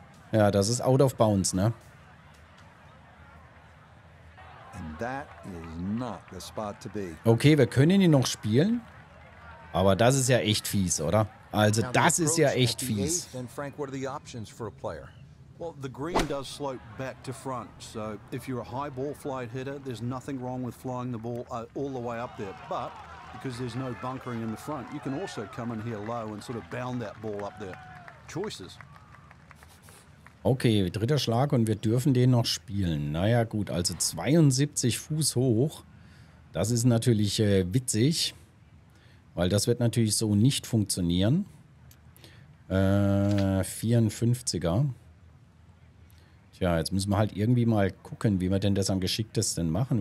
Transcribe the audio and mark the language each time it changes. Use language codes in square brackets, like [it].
[de] Ja, das ist out of bounds, ne? [en] That is not the spot to be. [de] Okay, wir können ihn noch spielen. Aber das ist ja echt fies, oder? Also, das ist ja echt fies. [en] Frank, what are the options for a player? Well, the green does slope back to front, so if you're a high ball flight hitter, there's nothing wrong with flying the ball all the way up there. But because there's no bunkering in the front, you can also come in here low and sort of bound that ball up there. Choices. [de] Okay, dritter Schlag und wir dürfen den noch spielen. Naja, gut, also 72 Fuß hoch. Das ist natürlich witzig, weil das wird natürlich so nicht funktionieren. 54er. Tja, jetzt müssen wir halt irgendwie mal gucken, wie wir denn das am geschicktesten machen.